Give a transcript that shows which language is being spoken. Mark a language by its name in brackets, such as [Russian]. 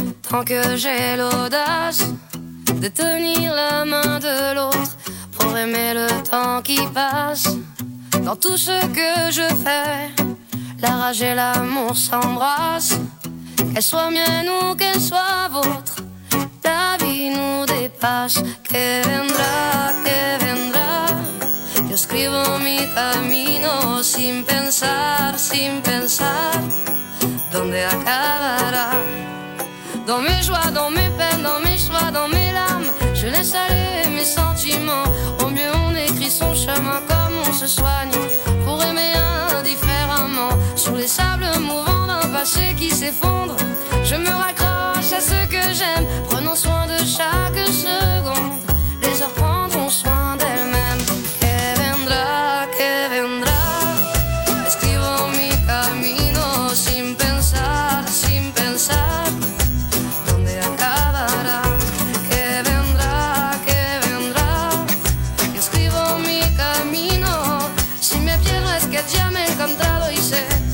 [French] Tant que j'ai l'audace de tenir la main de l'autre pour aimer le temps qui passe. Dans tout ce que je fais, la rage et l'amour s'embrassent. Qu'elle soit mienne ou qu'elle soit vôtre, ta vie nous dépasse. [Spanish] paz que vendrá, que vendrá. Yo escribo mi camino sin pensar, sin pensar dónde acabará. [French] Dans mes joies, dans mes peines, dans mes choix, dans mes larmes, je laisse aller mes sentiments. Au mieux on écrit son chemin comme on se soigne pour aimer indifféremment. Sur les sables mouvants d'un passé qui s'effondre, je me raccroche à ce que j'aime, prenant soin de chaque seconde. Les heures prendront soin d'elles-mêmes. [Spanish] Que viendra, que viendra. Escrivo mi camino sin pensar, sin pensar dónde acabará. Que viendra, que viendra. Escrivo mi camino. Si me pierdes que ya me he encontrado y sé.